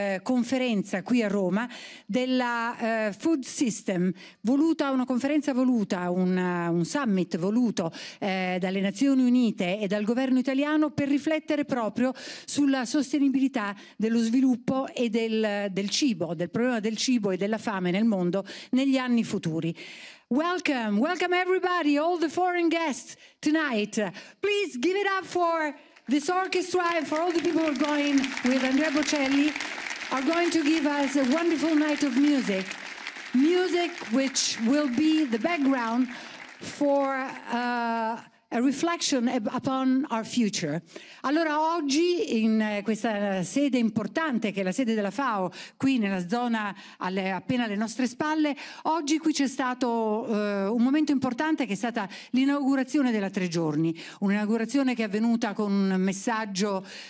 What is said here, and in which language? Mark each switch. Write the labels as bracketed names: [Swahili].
[Italian] conferenza qui a Roma della Food System, un summit voluto dalle Nazioni Unite e dal governo italiano per riflettere proprio sulla sostenibilità dello sviluppo e del cibo, del problema del cibo e della fame nel mondo negli anni futuri. [English] Welcome everybody, all the foreign guests tonight. Please give it up for this orchestra and for all the people who are going with Andrea Bocelli, are going to give us a wonderful night of music. Music which will be the background for a reflection upon our future. [Italian] Allora oggi in questa sede importante che è la sede della FAO qui nella zona appena alle nostre spalle, oggi qui c'è stato un momento importante che è stata l'inaugurazione della Tre Giorni, un'inaugurazione che è avvenuta con un messaggio